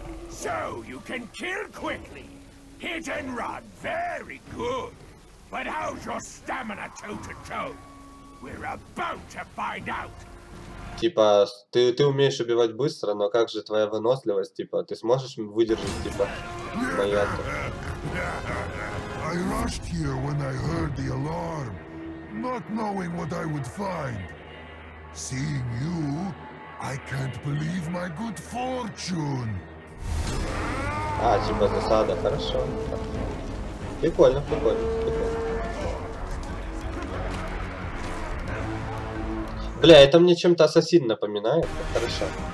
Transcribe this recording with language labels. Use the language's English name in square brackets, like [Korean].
[English] So you can kill quickly. Hit and run, very good. But how's your stamina toe-to-toe? We're about to find out. [Russian] Типа, ты умеешь убивать быстро, но как же твоя выносливость? Типа, ты сможешь выдержать, типа, моя-то? [English] I rushed here when I heard the alarm. Not knowing what I would find. Seeing you, I can't believe my good fortune. [Russian] А, типа засада, хорошо. Прикольно, прикольно, прикольно. Бля, это мне чем-то ассасин напоминает. Хорошо.